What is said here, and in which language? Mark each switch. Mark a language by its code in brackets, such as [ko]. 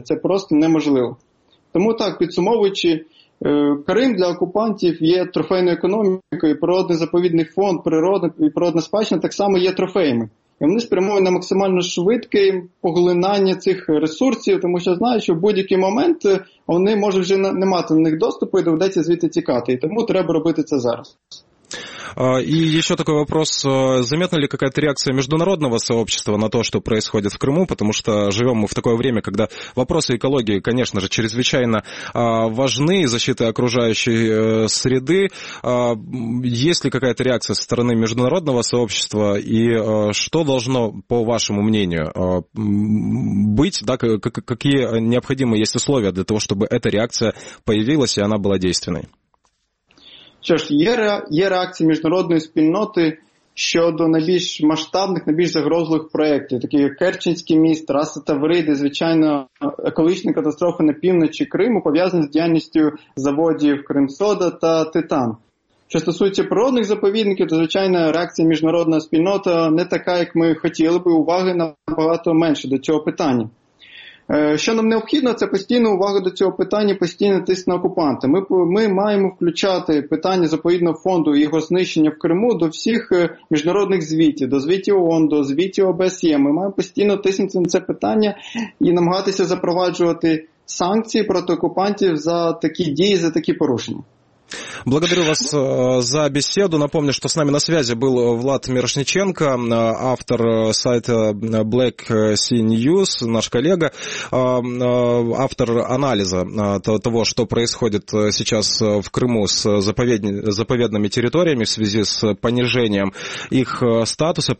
[uk] Це просто неможливо. Тому так, підсумовуючи, Крим для окупантів є трофейною економікою, природний заповідний фонд, природа і природна спадщина так само є трофеями. І вони спрямовані на максимально швидке поглинання цих ресурсів, тому що знають, що в будь-який момент вони можуть вже не мати на них доступу і доведеться звідти тікати. І тому треба робити це зараз. [ru] И еще такой вопрос. Заметна ли какая-то реакция международного сообщества на то, что происходит в Крыму? Потому что живем мы в такое время, когда вопросы экологии, конечно же, чрезвычайно важны, защиты окружающей среды. Есть ли какая-то реакция со стороны международного сообщества? И что должно, по вашему мнению, быть? Да, какие необходимые есть условия для того, чтобы эта реакция появилась и она была действенной? [uk] Що ж, є реакція міжнародної спільноти щодо найбільш масштабних, найбільш загрозливих проєктів, таких як Керченський міст, траса Тавриди, звичайно, екологічна катастрофа на півночі Криму, пов'язана з діяльністю заводів «Кримсода» та «Титан». Що стосується природних заповідників, то, звичайно, реакція міжнародна спільнота не така, як ми хотіли би, уваги набагато менше до цього питання. Що нам необхідно, це постійна увага до цього питання, постійний тиск на окупанта. Ми маємо включати питання заповідного фонду і його знищення в Криму до всіх міжнародних звітів, до звітів ООН, до звітів ОБСЄ. Ми маємо постійно тиснути на це питання і намагатися запроваджувати санкції проти окупантів за такі дії, за такі порушення. [ru] Благодарю вас за беседу. Напомню, что с нами на связи был Влад Мирошниченко, автор сайта Black Sea News, наш коллега, автор анализа того, что происходит сейчас в Крыму с заповедными территориями в связи с понижением их статуса.